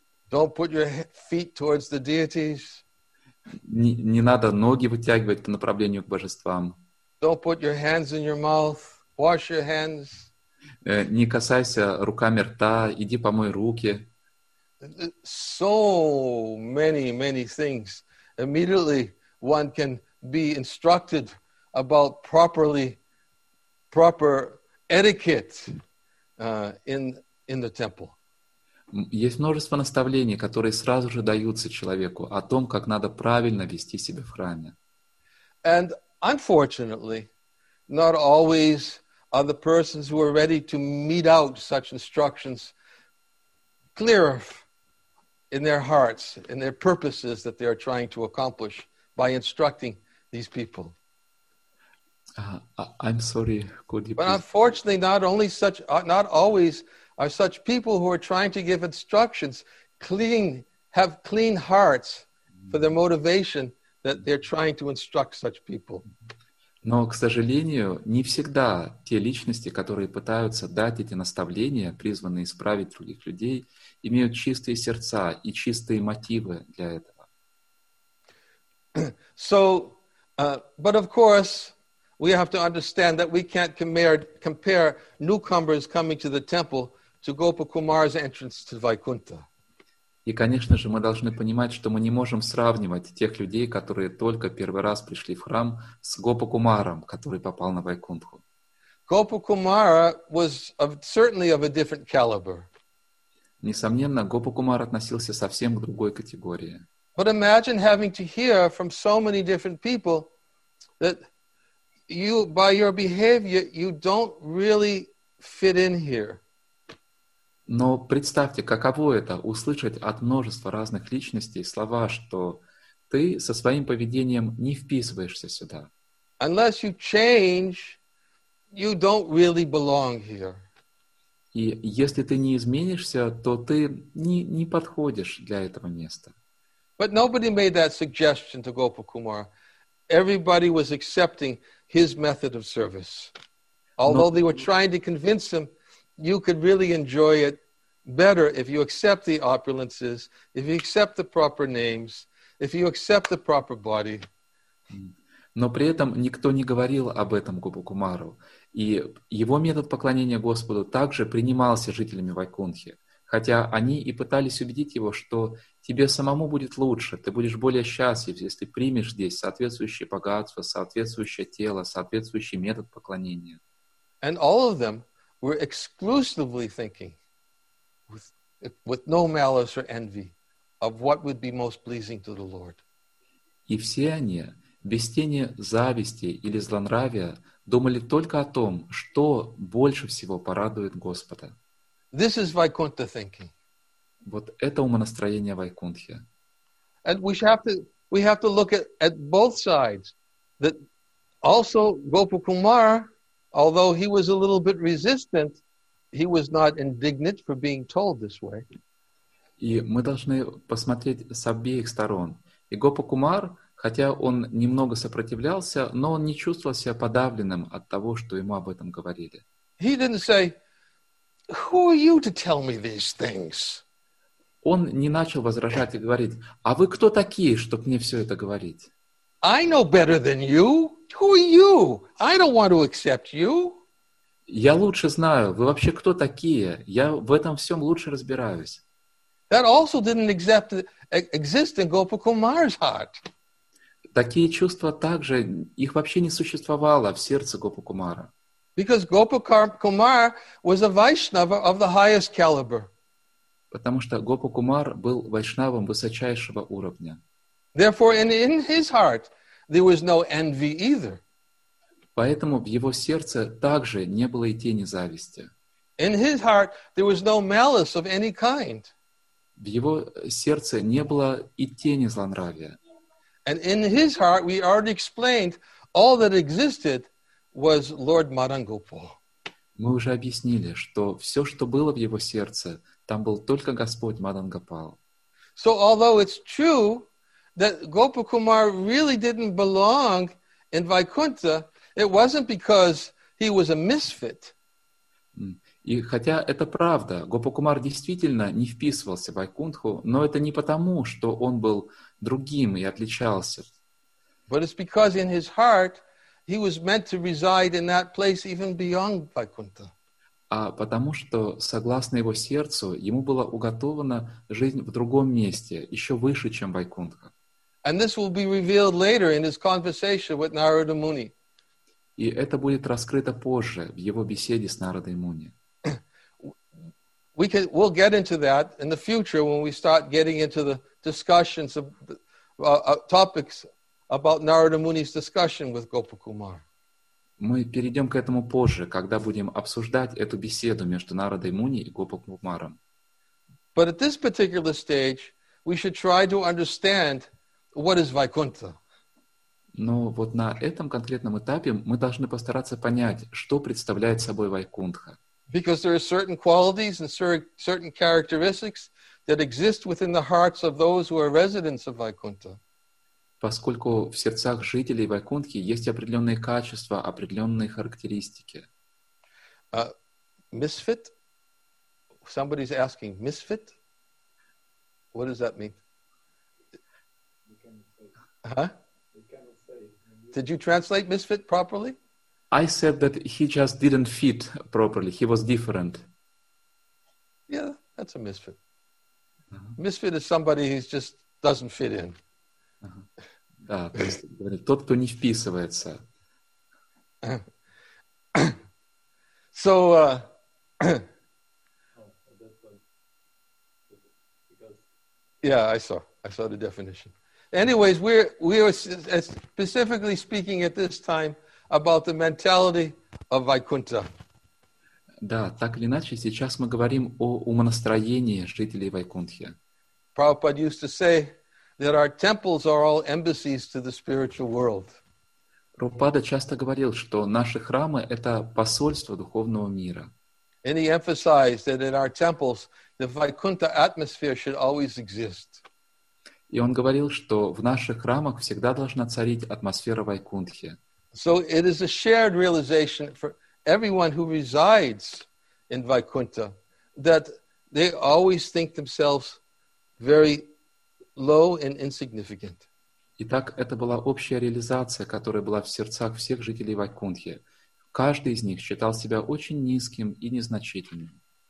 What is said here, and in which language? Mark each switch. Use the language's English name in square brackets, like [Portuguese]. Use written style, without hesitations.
[English] Don't put your feet towards the deities. [Russian] Не надо ноги вытягивать по направлению к божествам. [English] Don't put your hands in your mouth. Wash your hands. [Russian] Не касайся руками рта, иди помой руки. [English] So many, many things. Immediately one can be instructed about proper etiquette in the temple. [Russian] Есть множество наставлений, которые сразу же даются человеку о том, как надо правильно вести себя в храме. [English] And unfortunately, not always are the persons who are ready to meet out such instructions clear in their hearts, in their purposes that they are trying to accomplish by instructing these people. I'm sorry, could you But please? Unfortunately, not always are such people who are trying to give instructions have clean hearts for their motivation that they're trying to instruct such people. [Russian] Но, к сожалению, не всегда те личности, которые пытаются дать эти наставления, призванные исправить других людей, имеют чистые сердца и чистые мотивы для этого. [English] But of course, we have to understand that we can't compare newcomers coming to the temple to Gopa Kumar's entrance to Vaikuntha. [Russian] И, конечно же, мы должны понимать, что мы не можем сравнивать тех людей, которые только первый раз пришли в храм, с Гопа Кумаром, который попал на Вайкунтху. [English] Gopa Kumar was certainly of a different caliber. [Russian] Несомненно, Гопа Кумар относился совсем к другой категории. [English] But imagine having to hear from so many different people that you, by your behavior, you don't really fit in here. [Russian] Но представьте, каково это услышать от множества разных личностей слова, что ты со своим поведением не вписываешься сюда. [English] Unless you change, you don't really belong here. [Russian] И если ты не изменишься, то ты не подходишь для этого места. [English] But nobody made that suggestion to Gopa Kumar. Everybody was accepting his method of service. Although they were trying to convince him, you could really enjoy it better if you accept the opulences, if you accept the proper names, if you accept the proper body. [Russian] Но при этом никто не говорил об этом Гопа Кумару. И его метод поклонения Господу также принимался жителями Вайкунтхи. Хотя они и пытались убедить его, что тебе самому будет лучше, ты будешь более счастлив, если примешь здесь соответствующее богатство, соответствующее тело, соответствующий метод поклонения. [English] And all of them were exclusively thinking with no malice or envy of what would be most pleasing to the Lord. [Russian] И все они, без тени зависти или злонравия, думали только о том, что больше всего порадует Господа. [English] This is Vaikuntha thinking. [Russian] Вот это умонастроение Вайкунтхи. [English] And we have to look at both sides. That also Gopa Kumar, although he was a little bit resistant, he was not indignant for being told this way. [Russian] И мы должны посмотреть с обеих сторон. И Гопакумар, хотя он немного сопротивлялся, но он не чувствовал себя подавленным от того, что ему об этом говорили. [English] He didn't say, "Who are you to tell me these things?" [Russian] Он не начал возражать и говорить, а вы кто такие, чтобы мне все это говорить? [English] I know better than you. Who are you? I don't want to accept you. [Russian] Я лучше знаю, вы вообще кто такие? Я в этом всем лучше разбираюсь. [English] That also didn't exist in Gopakumar's heart. [Russian] Такие чувства также, их вообще не существовало в сердце Гопакумара. [English] Because Gopakumar was a Vaishnava of the highest caliber. [Russian] Потому что Гопакумар был вайшнавом высочайшего уровня. [English] Therefore, in his heart, there was no envy either. [Russian] Поэтому в его сердце также не было и тени зависти. [English] In his heart, there was no malice of any kind. [Russian] В его сердце не было и тени злонравия. [English] And in his heart, we already explained, all that existed was Lord Marangopal. [Russian] Мы уже объяснили, что все, что было в его сердце, там был только Господь Мадангопал. [English] So, although it's true that Gopakumar really didn't belong in Vaikuntha, it wasn't because he was a misfit. [Russian] И хотя это правда, Гопакумар действительно не вписывался в Вайкунтху, но это не потому, что он был другим и отличался. [English] But it's because in his heart he was meant to reside in that place even beyond Vaikuntha. [Russian] А потому что, согласно его сердцу, ему была уготована жизнь в другом месте, еще выше, чем Вайкунтха. [English] And this will be revealed later in his conversation with Narada Muni. [Russian] И это будет раскрыто позже, в его беседе с Нарадой Муни. [English] We'll get into that in the future when we start getting into the discussions of topics about Narada Muni's discussion with Gopakumar. [Russian] Мы перейдем к этому позже, когда будем обсуждать эту беседу между Нарадой Муни и Гопакумаром. [English] But at this particular stage, we should try to understand what is Vaikuntha. [Russian] Но вот на этом конкретном этапе мы должны постараться понять, что представляет собой Вайкунтха. [English] Because there are certain qualities and certain characteristics that exist within the hearts of those who are residents of Vaikuntha. [Russian] Поскольку в сердцах жителей Вайкунтхи есть определенные качества, определенные характеристики. [English] Misfit? Somebody's asking, misfit? What does that mean? Did you translate misfit properly? I said that he just didn't fit properly. He was different. Yeah, that's a misfit. Misfit is somebody who just doesn't fit in. [Russian] Да, то есть, говорит, тот, кто не вписывается. [English] So, yeah, I saw the definition. Anyways, we were specifically speaking at this time about the mentality of Vaikuntha. [Russian] Да, так или иначе, сейчас мы говорим о умонастроении жителей Вайкунтхи. [English] Prabhupada used to say that our temples are all embassies to the spiritual world. [Russian] Прабхупада часто говорил, что наши храмы — это посольство духовного мира. [English] And he emphasized that in our temples the Vaikuntha atmosphere should always exist. [Russian] И он говорил, что в наших храмах всегда должна царить атмосфера Вайкунтхи. [English] So it is a shared realization for everyone who resides in Vaikuntha that they always think themselves very low and insignificant. [Russian] Итак, это была общая реализация, которая была в сердцах всех жителей Вайкунтхи. Каждый из них считал себя очень низким и незначительным.